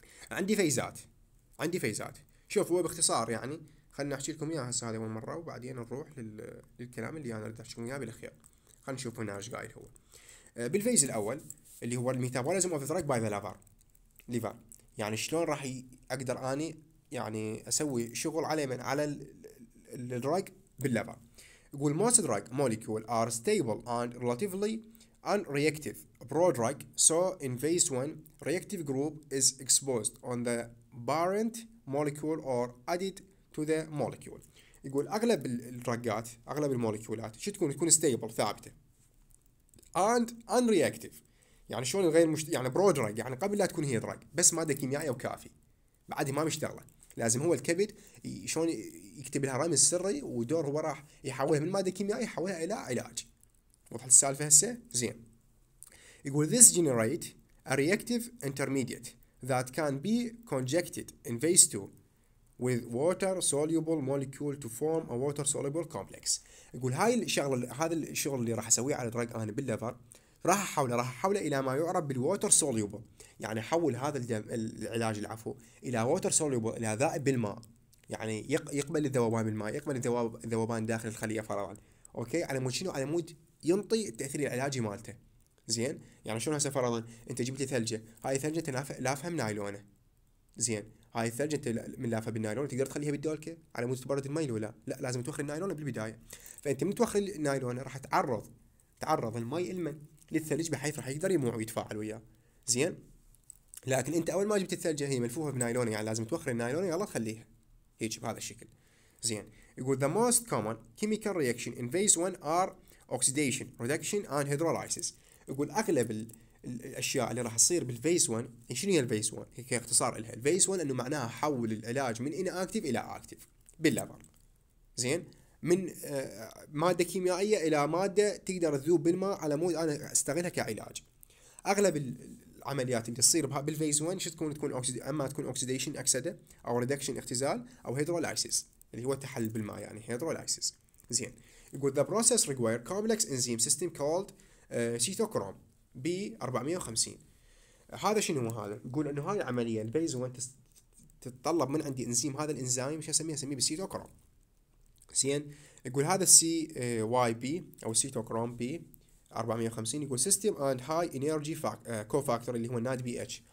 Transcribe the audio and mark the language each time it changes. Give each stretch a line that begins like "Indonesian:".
Arabic: عندي فيزات، عندي فيزات. شوف هو باختصار يعني، خلنا احكي لكم اياها هسه هذه المره، وبعدين نروح للكلام اللي انا بدي احكي لكم اياه بالاخير. خلنا نشوف هنا ايش قايل هو. بالفيز الاول اللي هو الميتابوليزم اوف ذا باي ذا ليفر، ليفر يعني شلون راح اقدر اني يعني اسوي شغل عليه من على الدراج بالليفر.
English: يقول most drug molecule are stable and relatively unreactive. Pro drug, so in phase 1, reactive group is exposed on the parent molecule or added to the molecule.
Arabic: يقول اغلب الدراجات، اغلب المولكيولات شو تكون؟ تكون stable، ثابته. And unreactive يعني شلون؟ غير يعني برو دراج يعني قبل لا تكون هي دراج، بس ماده كيميائيه وكافي، بعدها ما بيشتغله. لازم هو الكبد شلون يكتب لها رمز سري، ودور هو راح يحولها من ماده كيميائيه يحولها الى علاج. وضحت السالفه هسه؟ زين.
English: يقول this generate a reactive intermediate that can be conjugated in phase 2 with water soluble molecule to form a water soluble complex.
Arabic: يقول هاي الشغله، هذا الشغل اللي راح اسويه على الدراج انا بالليفر، راح احوله، راح احوله الى ما يعرف بالووتر سوليوبل. يعني احول هذا الدم، العلاج العفو، الى ووتر سوليوبل، الى ذائب بالماء. يعني يقبل الذوبان بالماء، يقبل الذوبان داخل الخليه فرعا. اوكي، على مود شنو؟ على مود ينطي التاثير العلاجي مالته. زين، يعني شلون هسه فرضا انت جبت ثلجه، هاي ثلجه انت لافها بنايلونه. زين، هاي الثلجه انت من لافها بالنايلون تقدر تخليها بالدولكه على مود تبرد المي ولا لا؟ لازم توخر النايلونه بالبدايه. فانت من توخر النايلونه راح تعرض المي المن للثلج، بحيث راح يقدر يموع ويتفاعل وياه. زين، لكن انت اول ما جبت الثلجه هي ملفوفه بنايلون، يعني لازم توخر النايلون يلا خليها هيك بهذا الشكل.
English: زين، يقول the most common chemical reaction in phase 1 are oxidation, reduction and hydrolysis.
Arabic: يقول اغلب الاشياء اللي راح تصير بالفيز 1، شنو هي الفيز 1؟ هيك اختصار لها. الفيز 1 انه معناها حول العلاج من ان اكتيف الى اكتيف بالليفر. زين، من مادة كيميائية إلى مادة تقدر تذوب بالماء على مود أنا استغلها كعلاج. أغلب العمليات اللي تصير بالفيز 1 شو تكون؟ تكون أما تكون أوكسيديشن أكسدة، أو ريدكشن اختزال، أو هيدرولايسيس اللي هو تحلل بالماء، يعني هيدرولايسيس.
English: زين، يقول the process require complex enzyme system called cytochrome B450.
Arabic: هذا شنو هذا؟ يقول أنه هاي العملية الفيز 1 تتطلب من عندي إنزيم، هذا الإنزيم شو أسميه؟ أسميه بالسيتوكروم. زين، يقول هذا السي واي بي او سيتوكروم بي 450، يقول سيستم اند هاي انرجي كو فاكتور اللي هو الناد بي اتش.